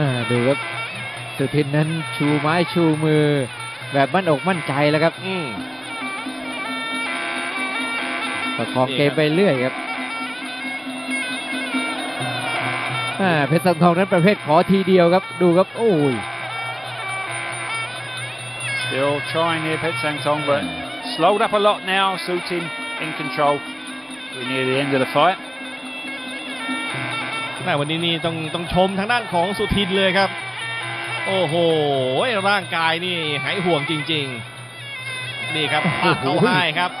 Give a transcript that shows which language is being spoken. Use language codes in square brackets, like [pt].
[th] ดูครับสุทินนั้นชูไม้ชูมือแบบมั่นอกมั่นใจแล้วครับประคองเกมไปเรื่อยครับเพชรสังทองนั้นประเภทขอทีเดียวครับดูครับโอ้ย [en] Still trying here Pet Sang Tong but slowed up a lot now Sutinin control we near the end of the fight [th] แม่วันนี้นี่ต้องชมทางด้านของสุทินเลยครับโอ้โหร่างกายนี่หายห่วงจริงๆนี่ครับปากเขาให้ครับ